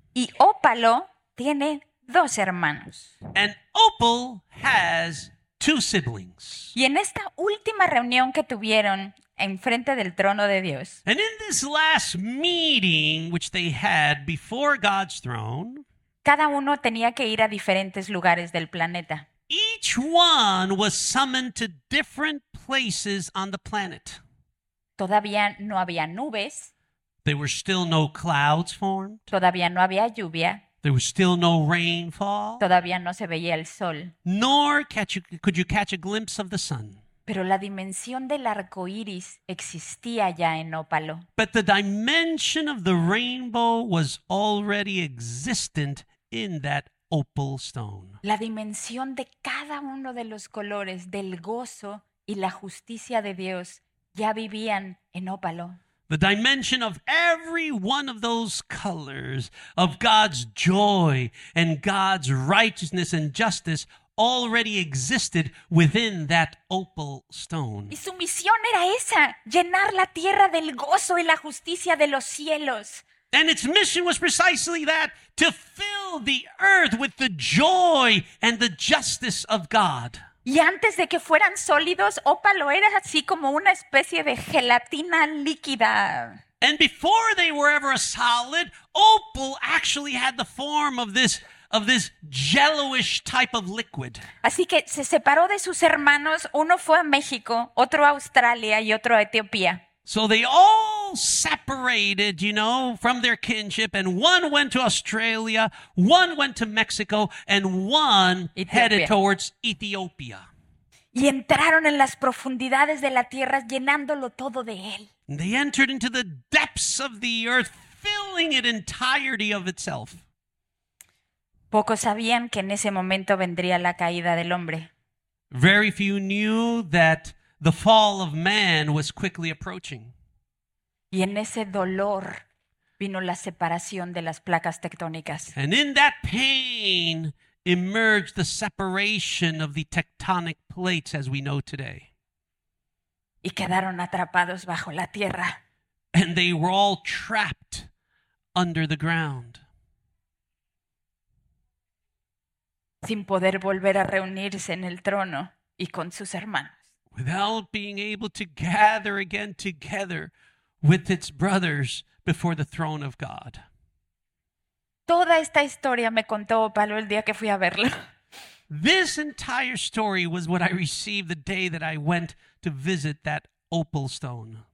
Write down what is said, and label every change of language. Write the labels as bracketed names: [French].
[Spanish] Y Ópalo tiene dos hermanos. [English] And Opal has two siblings. [Spanish] Y en esta última reunión que tuvieron en frente del trono de Dios. [English] And in this last meeting which they had before God's throne. [Spanish] Cada uno tenía que ir a diferentes lugares del planeta. [English] Each one was summoned to different places on the planet. [Spanish] Todavía no había nubes. [English] There were still no clouds formed. [Spanish] Todavía no había lluvia. [English] There was still no rainfall. [Spanish] Todavía no se veía el sol. [English] Nor could you catch a glimpse of the sun. [Spanish] Pero la dimensión del arco iris existía ya en Ópalo. [English] But the dimension of the rainbow was already existent in that opal stone. [Spanish] La dimensión de cada uno de los colores del gozo y la justicia de Dios ya vivían en Ópalo. [English] The dimension of every one of those colors of God's joy and God's righteousness and justice already existed within that opal stone. [Spanish] Y su misión era esa, llenar la tierra del gozo y la justicia de los cielos. [English] And its mission was precisely that, to fill the earth with the joy and the justice of God. [Spanish] Y antes de que fueran sólidos, Ópalo era así como una especie de gelatina líquida. [English] And before they were ever a solid, Opal actually had the form of this jello-ish type of liquid. [Spanish] Así que se separó de sus hermanos. Uno fue a México, otro a Australia y otro a Etiopía. [English] So they all separated, you know, from their kinship, and one went to Australia, one went to Mexico, and one Ethiopia. Headed towards Ethiopia. [Spanish] Y entraron en las profundidades de la tierra, llenándolo todo de él. [English] And they entered into the depths of the earth, filling it entirety of itself. [Spanish] Pocos sabían que en ese momento vendría la caída del hombre. [English] Very few knew that the fall of man was quickly approaching. [Spanish] Y en ese dolor vino la separación de las placas tectónicas. [English] And in that pain emerged the separation of the tectonic plates as we know today. [Spanish] Y quedaron atrapados bajo la tierra. [English] And they were all trapped under the ground. [Spanish] Sin poder volver a reunirse en el trono y con sus hermanos. [English] Without being able to gather again together with its brothers before the throne of God. [Spanish] Toda esta historia me contó Pablo el día que fui a verlo. [English] This entire story was what I received the day that I went to visit that opal stone.